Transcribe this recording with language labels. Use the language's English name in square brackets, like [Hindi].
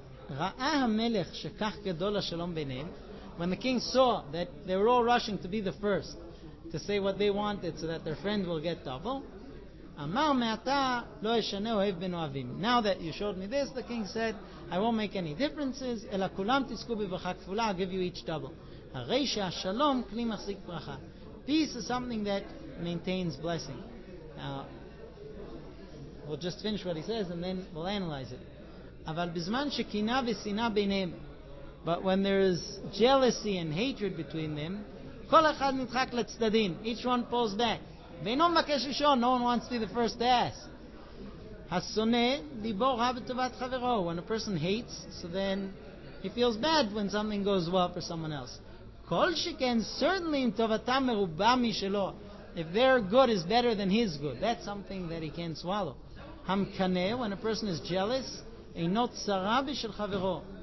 [Hebrew] ראה המלך שכך גדול השלום ביניהם. [English] When the king saw that they were all rushing to be the first to say what they wanted so that their friend will get double, [Hebrew] אמר מעתה לא ישנה אוהב בין אוהבים. [English] Now that you showed me this, the king said, I won't make any differences, [Hebrew] אלא כולם תזכו בברכה כפולה, [English] I'll give you each double. [Hebrew] הרי שהשלום כלי מחזיק ברכה. [English] Peace is something that maintains blessing. Now, we'll just finish what he says and then we'll analyze it. [Hebrew] אבל בזמן שכינה ושנאה ביניהם, [English] but when there is jealousy and hatred between them, [Hebrew] כל אחד נדחק לצדדים, [English] each one pulls back. [Hebrew] ואינו מבקש ראשון, [English] no one wants to be the first to ask. [Hebrew] השונא ליבו רע בטובת חברו. [English] When a person hates, so then he feels bad when something goes well for someone else. [Hebrew] כל שכן, [English] certainly [Hebrew] אם טובתם מרובה משלו, [English] if their good is better than his good, that's something that he can't swallow. [Hebrew] המקנא, [English] when a person is jealous, [Hebrew] אינו צרה בשל חברו.